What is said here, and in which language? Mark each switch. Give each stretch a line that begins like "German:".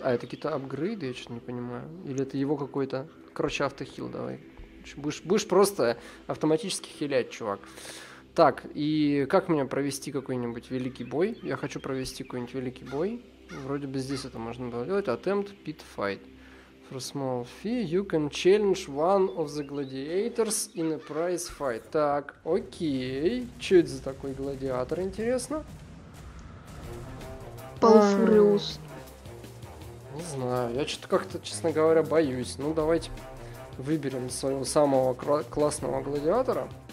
Russian: А, это какие-то апгрейды, я что-то не понимаю. Или это его какой-то... Короче, автохил давай. Будешь просто автоматически хилять, чувак. Так, и как мне провести какой-нибудь великий бой? Я хочу провести какой-нибудь великий бой. Вроде бы здесь это можно было делать.
English: Attempt pit fight. For small fee, you can challenge one of the gladiators in a prize fight.
Russian: Так, окей. Че это за такой гладиатор, интересно? Палфуриус. Не знаю, я что-то как-то, честно говоря, боюсь. Ну, давайте выберем своего самого классного гладиатора.